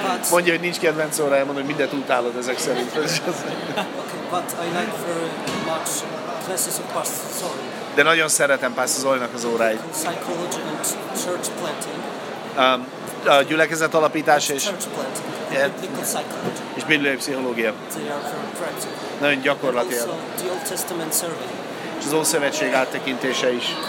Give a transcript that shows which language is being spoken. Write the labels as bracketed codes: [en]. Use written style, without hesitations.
[hu] Mondja, hogy nincs kedvenc óra, elmondja, hogy mindent utálod ezek szerint. [en] Okay, but I like very much classes of Pastor Zoli. [hu] De nagyon szeretem Pastor Zolinak az óráit. [en] Psychology and church planting. [hu] A gyülekezet alapítás és [en] yeah, [hu] és bibliai pszichológia. Nagyon gyakorlati. És az Ószövetség áttekintése is.